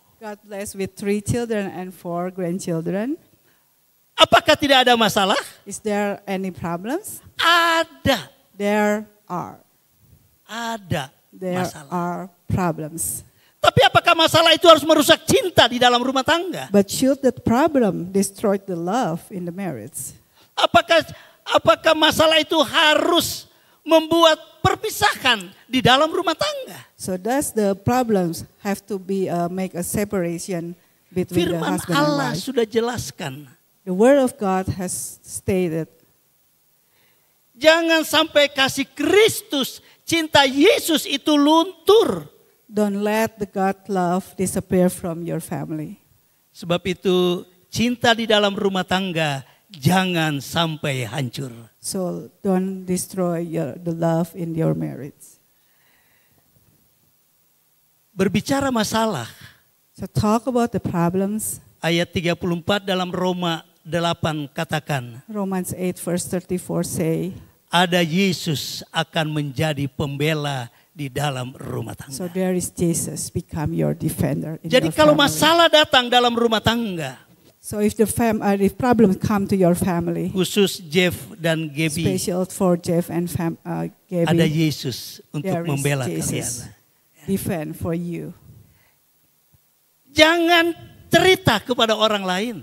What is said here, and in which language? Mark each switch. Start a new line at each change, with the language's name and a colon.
English: God bless with 3 children and 4 grandchildren.
Indonesian: Apakah tidak ada masalah?
English: Is there any problems?
Indonesian: Ada.
English: There are.
Indonesian: Ada
English: there
Indonesian: masalah.
English: Are problems.
Indonesian: Tapi apakah masalah itu harus merusak cinta di dalam rumah tangga?
English: But should that problem destroy the love in the marriage?
Indonesian: Apakah masalah itu harus membuat perpisahan di dalam rumah tangga?
English: So does the problems have to be make a separation between
Indonesian: Firman
English: the husband
Indonesian: Allah Firman Allah sudah jelaskan.
English: The word of God has stated.
Indonesian: Jangan sampai kasih Kristus, cinta Yesus itu luntur.
English: Don't let the God love disappear from your family.
Indonesian: Sebab itu cinta di dalam rumah tangga jangan sampai hancur.
English: So don't destroy the love in your marriage.
Indonesian: Berbicara masalah.
English: So talk about the problems.
Indonesian: Ayat 34 dalam Roma 8 katakan.
English: Romans 8 verse 34 say.
Indonesian: Ada Yesus akan menjadi pembela di dalam rumah tangga.
English: So there is Jesus become your defender.
Indonesian: Jadi kalau masalah datang dalam rumah tangga.
English: So if the if problems come to your family.
Indonesian: Khusus Jeff dan Gabby.
English: Special for Jeff and Gabby.
Indonesian: Ada Yesus untuk membela kalian.
English: Defend for you.
Indonesian: Jangan cerita kepada orang lain.